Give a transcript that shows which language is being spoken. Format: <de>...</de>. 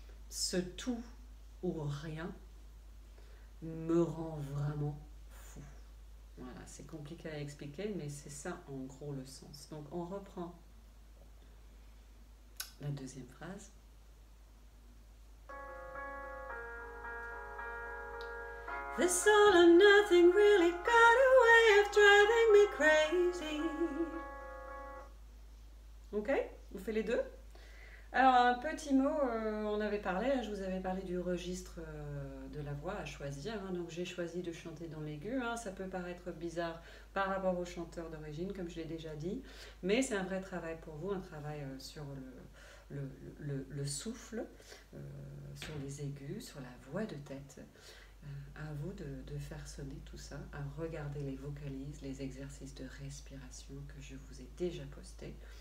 <fr>Ce tout ou rien me rend vraiment fou. Voilà, c'est compliqué à expliquer, mais c'est ça en gros le sens. Donc on reprend la deuxième phrase.</fr> <en>This all or nothing really got a way of driving me crazy.</en> <fr>Ok, on fait les deux. Alors un petit mot, on avait parlé, je vous avais parlé du registre de la voix à choisir, hein, donc j'ai choisi de chanter dans l'aigu, hein, ça peut paraître bizarre par rapport au chanteur d'origine, comme je l'ai déjà dit, mais c'est un vrai travail pour vous, un travail sur le souffle, sur les aigus, sur la voix de tête, à vous de faire sonner tout ça, à regarder les vocalises, les exercices de respiration que je vous ai déjà postés.</fr>